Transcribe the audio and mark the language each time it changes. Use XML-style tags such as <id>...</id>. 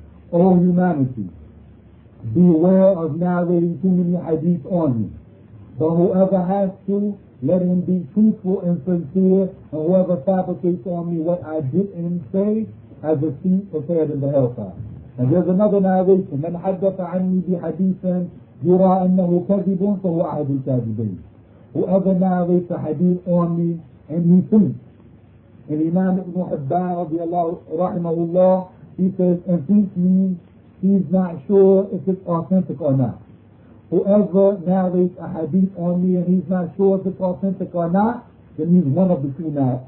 <en>O humanity, beware of narrating too many hadith on me. But whoever has to, let him be truthful and sincere, and whoever fabricates on me what I didn't say, has a seat prepared in the hellfire. And there's another narration,</en> <ar>من حدث عني بحديثا يرى أنه كذب فهو أحد الكاذبين.</ar> <en>Whoever narrates a hadith on me, and he thinks, and Imam Ibn Hibban</en> <ar>رضي الله رحمه الله,</ar> <en>he says, and thinks me, he's not sure if it's authentic or not. Whoever narrates a hadith on me and he's not sure if it's authentic or not, then he's one of the two liars.</en>